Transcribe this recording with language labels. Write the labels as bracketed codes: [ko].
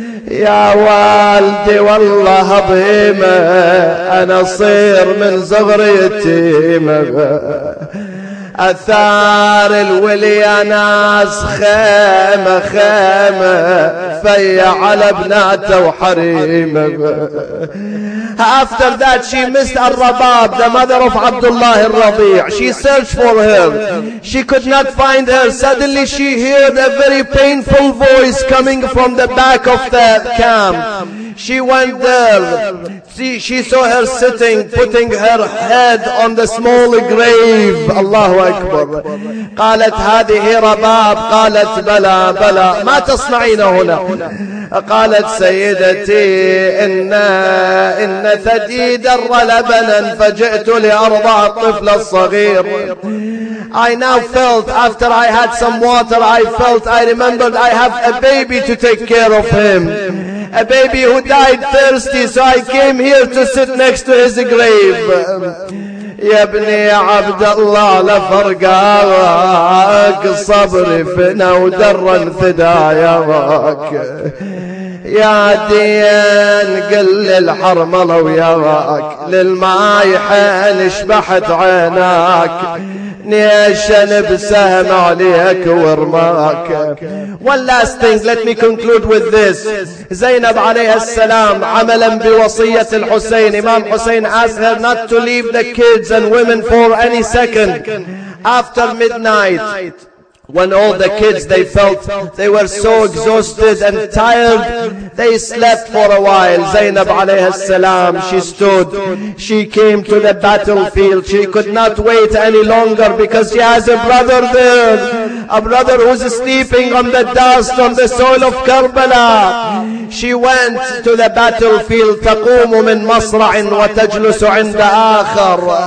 [ar] يا والدي والله ضيمة أنا صير من صغر يتيمة أثار الولي ناس خيمة خيمة فيا على بناته وحريمة [en] After that, she missed Ar-Rabab, the mother of Abdullah Ar-Rabi'. She searched for her. She could not find her. Suddenly, she heard a very painful voice coming from the back of the camp. She went there. She saw her sitting, putting her head on the small grave. Allahu Akbar. [ar] قالت هذه رباب. قالت بلا بلا. ما تصنعين هنا؟ قالت سيدتي إن ثدي در لبنا فجئت لأرضع الطفل الصغير. [en] I now felt after I had some water, I remembered I have a baby to take care of him. A baby who died thirsty, so I came here to sit next to his grave. [ar] يا ابني عبد الله لا فرقاك صبري فينا ودرا ثدايا باك يا ديان قل للحرم لو يراك للماي حين شبحت عيناك نيشان بسهم عليك ورماك [en] One last thing, let me conclude with this. Zainab [ar] عليه السلام عملا بوصية الحسين [en] Imam Hussein asked her not to leave the kids and women for any second after midnight. When all the kids, they felt they were so exhausted and tired, they slept for a while. Zainab alayhi salam, she stood. She came to the battlefield. She could not wait any longer because she has a brother there. A brother who's sleeping on the dust, on the soil of Karbala. She went to the battlefield. [ar] تقوم من مصرع وتجلس عند آخر.